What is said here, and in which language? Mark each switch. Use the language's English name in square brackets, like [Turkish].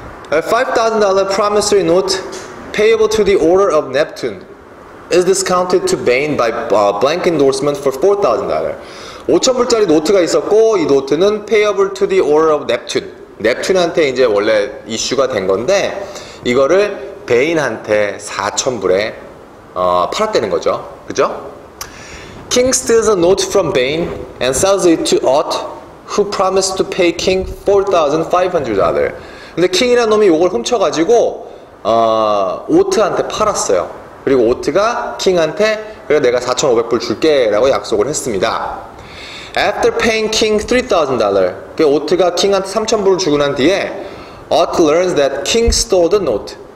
[English] $5,000 promissory note payable to the order of Neptune is discounted to Bain by blank endorsement for $4,000. [Korean] 5,000불짜리 노트가 있었고 이 노트는 [English] payable to the order of Neptune. [Korean] 넵튠한테 이제 원래 이슈가 된 건데 이거를 베인한테 4,000불에 팔았다는 거죠. 그죠? [English] King steals a note from Bain and sells it to Ott who promised to pay King $4,500. [Korean] 근데 킹이라는 놈이 이걸 훔쳐가지고 오트한테 팔았어요. 그리고 오트가 킹한테 그래 내가 4,500불 줄게 라고 약속을 했습니다. [English] After paying King $3,000, [Korean] 그 오트가 킹한테 3,000불을 주고 난 뒤에 [English] Ott learns that King stole the note.